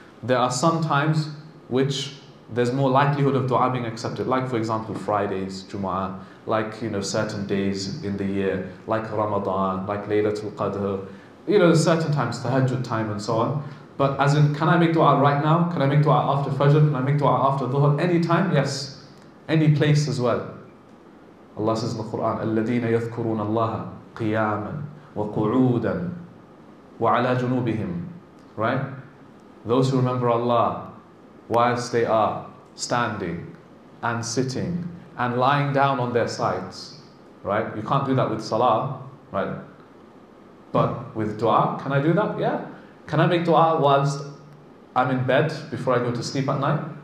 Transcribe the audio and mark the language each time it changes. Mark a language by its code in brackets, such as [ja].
[en] There are some times which there's more likelihood of dua being accepted, like for example Fridays, Jumu'ah, like, you know, certain days in the year, like Ramadan, like Laylatul Qadr, you know, certain times, tahajjud time and so on. But as in, can I make dua right now? Can I make dua after Fajr? Can I make dua after Dhuhr? Any time? Yes. Any place as well. Allah says in the Quran, [ar] الَّذِينَ يَذْكُرُونَ اللَّهَ قِيَامًا وَقُعُودًا وَعَلَى جُنُوبِهِمْ. [en] Right? Those who remember Allah whilst they are standing and sitting and lying down on their sides, right? You can't do that with salah, right? But with dua, can I do that? Yeah. Can I make dua whilst I'm in bed before I go to sleep at night?